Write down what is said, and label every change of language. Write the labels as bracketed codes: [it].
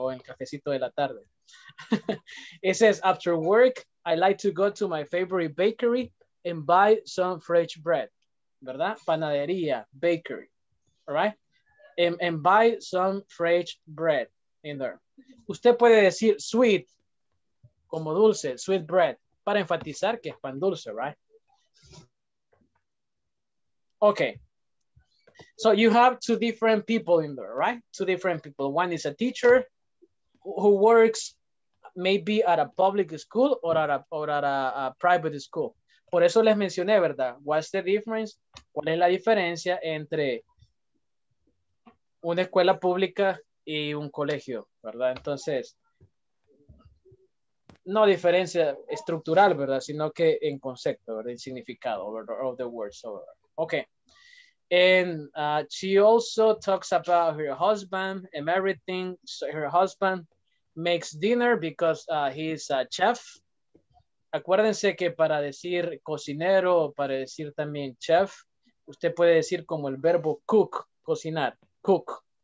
[es] O en cafecito de la tarde. [en] It says, after work, I like to go to my favorite bakery and buy some fresh bread. ¿Verdad? Panadería, bakery. All right? And buy some fresh bread in there. [es] Usted puede decir sweet, como dulce, [en] sweet bread, [es] para enfatizar que es pan dulce, right? [en] Okay. So you have 2 different people in there, right? 2 different people. One is a teacher who works maybe at a public school or at a private school. [es] Por eso les mencioné, ¿verdad? [en] What's the difference? [es] ¿Cuál es la diferencia entre una escuela pública y un colegio, ¿verdad? Entonces, no diferencia estructural, ¿verdad? Sino que en concepto, ¿verdad? En significado, [en] of the words. [es] Okay. [en] And she also talks about her husband and everything. So her husband makes dinner because he's a chef. [es] Acuérdense que para decir cocinero, para decir también chef, usted puede decir como el verbo cook, cocinar, cook.